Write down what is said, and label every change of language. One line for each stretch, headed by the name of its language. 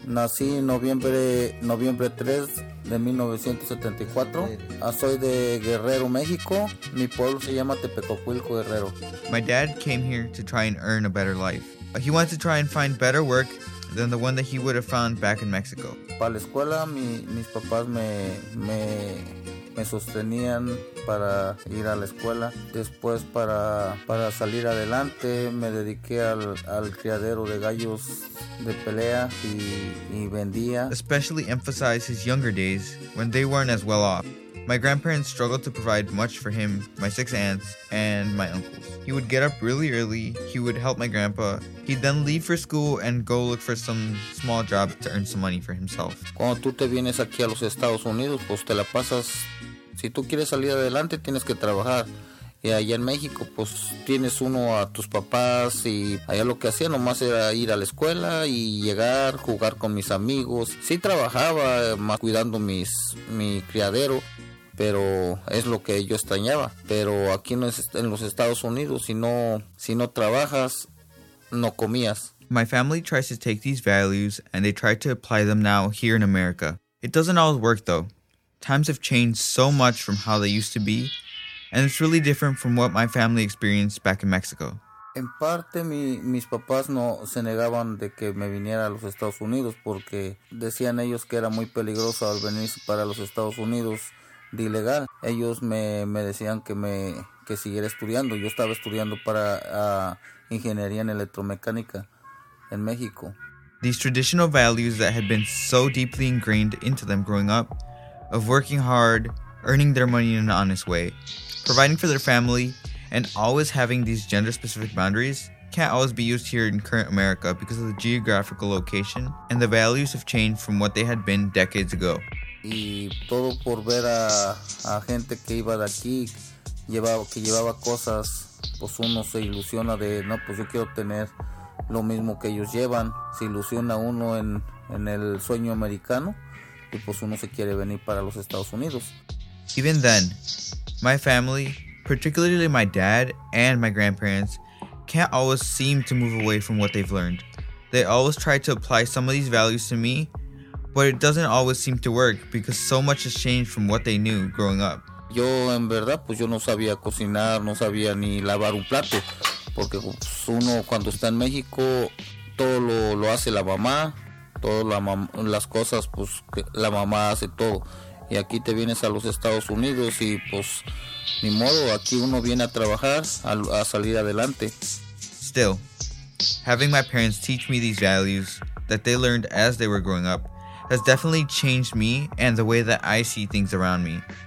Spanish: Nací noviembre 3 de 1974. Soy de Guerrero, México. Mi pueblo se llama Tepecuilco Guerrero.
English: My dad came here to try and earn a better life. He wanted to try and find better work than the one that he would have found back in Mexico.
Spanish: Para la escuela, mis papás me sostenían para ir a la escuela. Después, para salir adelante, me dediqué al criadero de gallos de pelea y vendía.
English: Especially emphasized his younger days, when they weren't as well off. My grandparents struggled to provide much for him, my six aunts, and my uncles. He would get up really early, he would help my grandpa, he'd then leave for school and go look for some small job to earn some money for himself.
Spanish: Cuando tú te vienes aquí a los Estados Unidos, pues te la pasas. Si tú quieres salir adelante, tienes que trabajar. Y allá en México, pues tienes uno a tus papás y allá lo que hacía nomás era ir a la escuela y llegar, jugar con mis amigos. Sí trabajaba, más cuidando mi criadero, pero es lo que yo extrañaba. Pero aquí en los Estados Unidos, si no trabajas, no comías.
English: My family tries to take these values and they try to apply them now here in America. It doesn't always work though. Times have changed so much from how they used to be, and it's really different from what my family experienced back in Mexico.
Spanish: En parte, mis papás no se negaban de que me viniera a los Estados Unidos porque decían ellos que era muy peligroso al venir para los Estados Unidos de ilegal. Ellos me decían que siguiera estudiando. Yo estaba estudiando para ingeniería en electromecánica en México.
English: These traditional values that had been so deeply ingrained into them growing up, of working hard, earning their money in an honest way, providing for their family, and always having these gender-specific boundaries can't always be used here in current America because of the geographical location and the values have changed from what they had been decades ago.
Spanish: Y todo por ver a gente que iba de aquí, que llevaba cosas, pues uno se ilusiona de, no, pues yo quiero tener lo mismo que ellos llevan. Se ilusiona uno en el sueño americano y pues uno se quiere venir para los Estados Unidos.
English: Even then, my family, particularly my dad and my grandparents, can't always seem to move away from what they've learned. They always try to apply some of these values to me, but it doesn't always seem to work because so much has changed from what they knew growing up.
Spanish: Yo en verdad, pues yo no sabía cocinar, no sabía ni lavar un plato, porque pues, uno cuando está en México, todo lo hace la mamá, las cosas, pues la mamá hace todo. Y aquí te vienes a los Estados Unidos y pues ni modo, aquí uno viene a trabajar, a salir adelante.
English: Still, having my parents teach me these values that they learned as they were growing up has definitely changed me and the way that I see things around me.